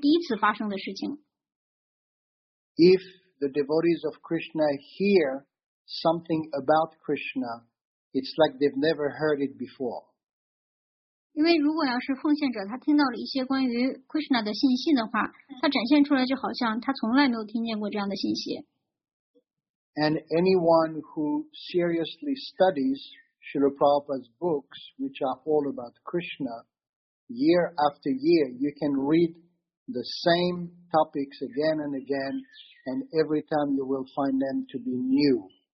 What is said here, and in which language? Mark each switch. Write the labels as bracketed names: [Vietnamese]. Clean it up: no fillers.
[Chinese] 但是呢，在灵性世界的本性，它所处在的状态就是每一天都好像是新的一天，就是都是第一次发生的事情。 [English] If the devotees of Krishna hear something about Krishna, it's like they've never heard it before. [Chinese] 因为如果要是奉献者他听到了一些关于 Krishna 的信息的话，他展现出来就好像他从来没有听见过这样的信息。 [English] And anyone who seriously studies Srila Prabhupada's books, which are all about Krishna, year after year, you can read the same topics again and again, and every time you will find them to be new.